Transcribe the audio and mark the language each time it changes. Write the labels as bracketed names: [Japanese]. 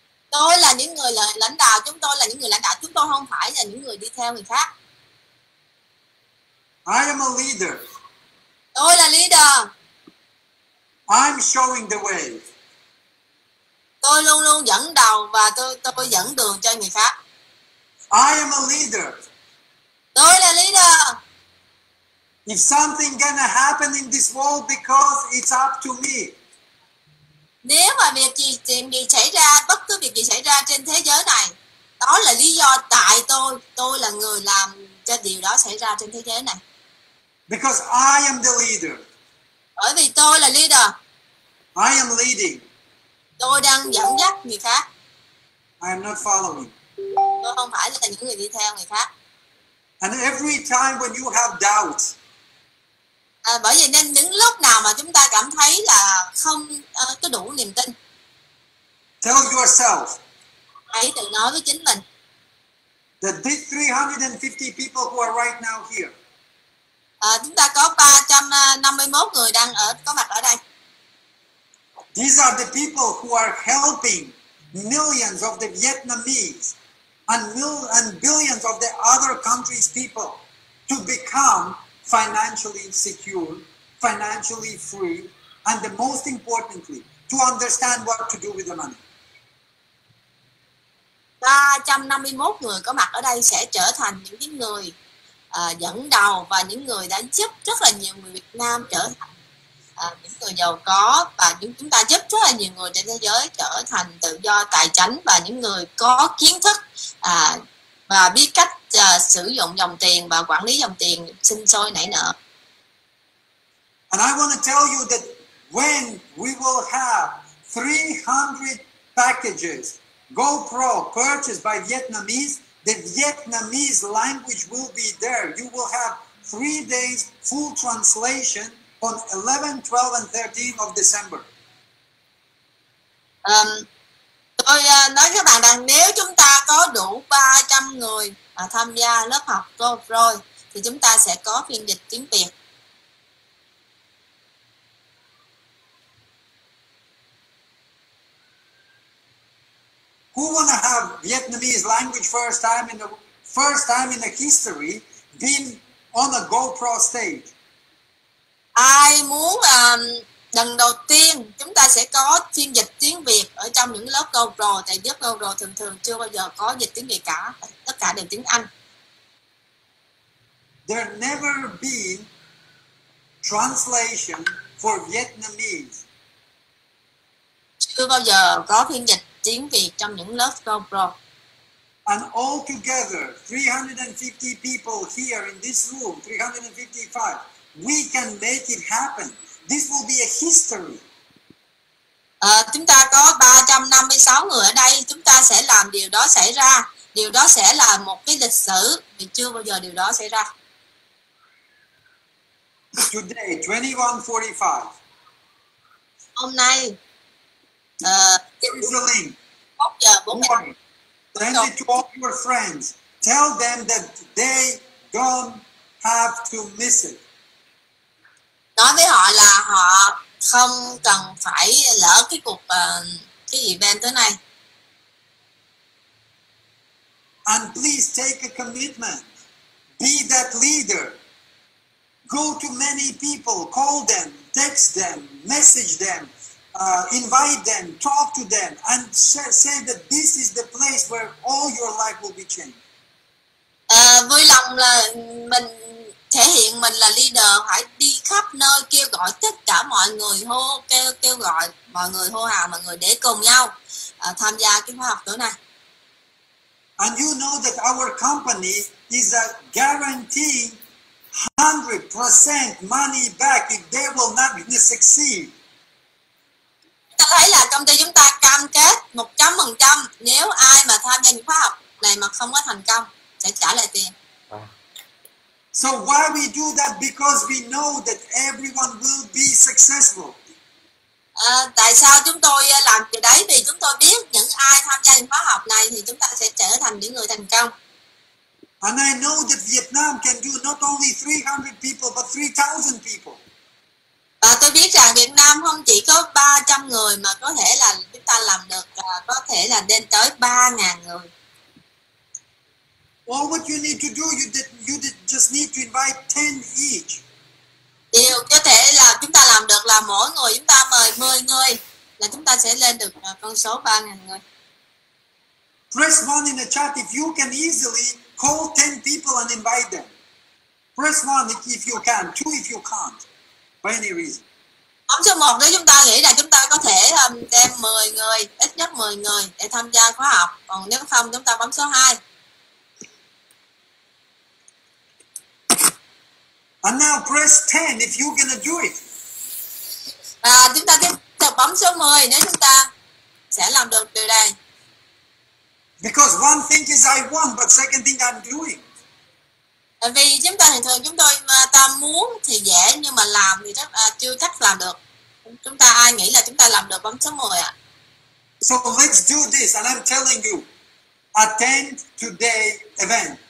[Vietnamese] Tôi là những người lãnh đạo, chúng tôi là những người lãnh đạo, chúng tôi không phải là những người đi theo người khác. [English] I am a leader. [Vietnamese] Tôi là leader. [English] I'm showing the way. [Vietnamese] Tôi luôn luôn dẫn đầu và tôi dẫn đường cho người khác. [English] I am a leader. [Vietnamese] Tôi là leader. [English] If something gonna happen in this world because it's up to me. [Vietnamese] Nếu mà việc gì chuyện gì xảy ra, bất cứ việc gì xảy ra trên thế giới này, đó là lý do tại tôi là người làm cho điều đó xảy ra trên thế giới này. [English] Because I am the leader. [Vietnamese] Bởi vì tôi là leader. [English] I am leading. [Vietnamese] Tôi đang dẫn dắt người khác. [English] I am not following. [Vietnamese] Tôi không phải là những người đi theo người khác. [English] And every time when you have doubt. [Vietnamese] Bởi vì nên những lúc nào mà chúng ta cảm thấy là không có đủ niềm tin. [English] Tell yourself. [Vietnamese] Hãy tự nói với chính mình. [English] That these 350 people who are right now here. [Vietnamese] Chúng ta có 351 người đang có mặt ở đây. [English] These are the people who are helping millions of the Vietnamese and billions of the other countries' people to become financially secure, financially free, and the most importantly, to understand what to do with the money. [Vietnamese] 351 người có mặt ở đây sẽ trở thành những người dẫn đầu và những người đã giúp rất là nhiều người Việt Nam trở thành những người giàu có, và chúng ta giúp rất là nhiều người trên thế giới trở thành tự do tài chính và những người có kiến thức và biết cách sử dụng dòng tiền và quản lý dòng tiền sinh sôi nảy nở. [English] And I want to tell you that when we will have 300 packages GoPro purchased by Vietnamese, the Vietnamese language will be there. You will have 3 days full translation on 11, 12 and 13 of December. [Vietnamese] Tôi nói các bạn rằng nếu chúng ta có đủ 300 người tham gia lớp học GoPro thì chúng ta sẽ có phiên dịch tiếng Việt. [English] Who wanna have Vietnamese language first time in the history being on a GoPro stage? [Vietnamese] Ai muốn Lần đầu tiên chúng ta sẽ có phiên dịch tiếng Việt ở trong những lớp Google, tại lớp Google thường thường chưa bao giờ có dịch tiếng Việt cả, tất cả đều tiếng Anh. [English] There never been translation for Vietnamese. [Vietnamese] Chưa bao giờ có phiên dịch tiếng Việt trong những lớp Google. [English] And altogether, 350 people here in this room, 355, we can make it happen. This will be a history. [Vietnamese] Chúng ta có 356 người ở đây, chúng ta sẽ làm điều đó xảy ra. Điều đó sẽ là một cái lịch sử vì chưa bao giờ điều đó xảy ra. [English] Today, 21:45. [Vietnamese] Hôm nay [English] Here's the link. 1:45. Warning. Send it to all your friends. Tell them that they don't have to miss it. [Vietnamese] Nói với họ là họ không cần phải lỡ cái cuộc cái event tới này. [English] And please take a commitment. Be that leader. Go to many people, call them, text them, message them, invite them, talk to them, and say that this is the place where all your life will be changed. [Vietnamese] Vui lòng là mình thể hiện mình là leader, phải đi khắp nơi kêu gọi tất cả mọi người, hô kêu kêu gọi mọi người, hô hào mọi người để cùng nhau tham gia cái khóa học tối nay. [English] And you know that our company is a guarantee 100% money back if they will not succeed. [Vietnamese] Ta thấy là công ty chúng ta cam kết 100% nếu ai mà tham gia những khóa học này mà không có thành công sẽ trả lại tiền. [English] So why we do that? Because we know that everyone will be successful. [Vietnamese] Tại sao chúng tôi làm cái đấy? Vì chúng tôi biết những ai tham gia khóa học này thì chúng ta sẽ trở thành những người thành công. [English] And I know that Vietnam can do not only 300 people, but 3,000 people. [Vietnamese] Và tôi biết rằng Việt Nam không chỉ có 300 người mà có thể là chúng ta làm được, có thể là lên tới 3.000 người. [English] All what you need to do, you just need to invite 10 each. [Vietnamese] Điều có thể là chúng ta làm được là mỗi người chúng ta mời 10 người là chúng ta sẽ lên được con số 3.000 người. [English] Press one in the chat if you can easily call 10 people and invite them. Press one if you can, two if you can't, by any reason. [Vietnamese] Ấn số 1 nếu chúng ta nghĩ là chúng ta có thể đem 10 người, ít nhất 10 người để tham gia khóa học. Còn nếu không chúng ta bấm số 2. [English] And now press 10 if you're gonna do it. [Vietnamese] Và chúng ta tiếp tục bấm số 10 nếu chúng ta sẽ làm được điều này. [English] Because one thing is I want, but second thing I'm doing. [Vietnamese] Vì chúng ta thường thường chúng tôi mà ta muốn thì dễ nhưng mà làm thì chắc chưa chắc làm được. Chúng ta ai nghĩ là chúng ta làm được bấm số 10 ạ? [English] So let's do this, and I'm telling you, attend today event.